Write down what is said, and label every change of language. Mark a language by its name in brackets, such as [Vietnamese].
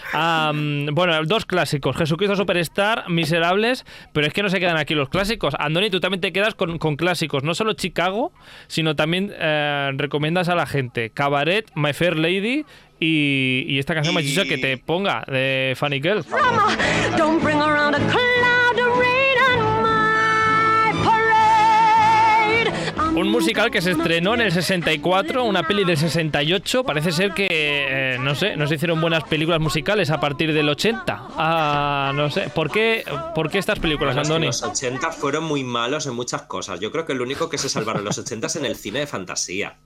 [Spanish] Bueno, dos clásicos, Jesucristo Superstar, Miserables, pero es que no se quedan aquí los clásicos. Andoni, tú también te quedas con clásicos, no solo Chicago, sino también recomiendas a la gente Cabaret, My Fair Lady y esta canción machista que te ponga de Fanny Girl. [English] Drama, don't bring around a cloud of rain on my parade. [Spanish] Un musical que se estrenó en el 64, una peli del 68. Parece ser que, no se hicieron buenas películas musicales a partir del 80. ¿Por qué estas películas, Andoni? Los 80 fueron muy malos en muchas cosas. Yo creo que el único que se salvaron los 80 es en el cine de fantasía.